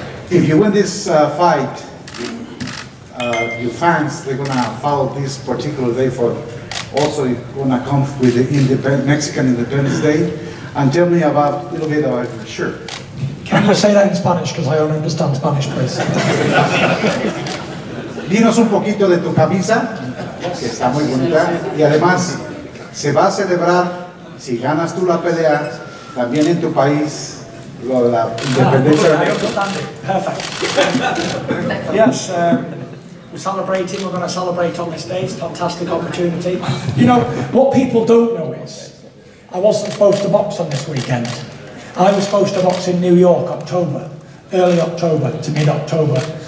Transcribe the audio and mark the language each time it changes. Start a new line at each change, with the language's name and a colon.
English: If you win this fight, your fans, they're gonna follow this particular day for also gonna come with the Mexican Independence Day. And tell me about a little bit about your shirt. Can you say that in Spanish? Because I don't understand Spanish, please.
Spanish: Dinos un poquito de tu camisa, que está muy bonita. Y además, se va a celebrar, si ganas tú la pelea, también en tu país, la independencia.
English: Perfect. Yes. We're going to celebrate on this day. It's a fantastic opportunity. You know, what people don't know is, I wasn't supposed to box on this weekend. I was supposed to box in New York, October, early October to mid-October.